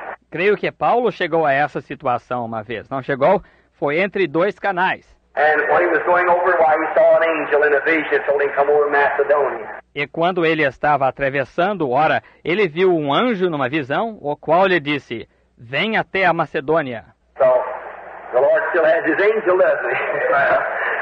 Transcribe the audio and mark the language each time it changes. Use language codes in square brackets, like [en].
[pt] Creio que Paulo chegou a essa situação uma vez. Não chegou? Foi entre dois canais. [en] And when he was going over, he saw an angel in a vision told him to come over Macedonia. [pt] E quando ele estava atravessando, ora, ele viu um anjo numa visão, o qual lhe disse, vem até a Macedônia. [en] So, the Lord still has his angel, doesn't he?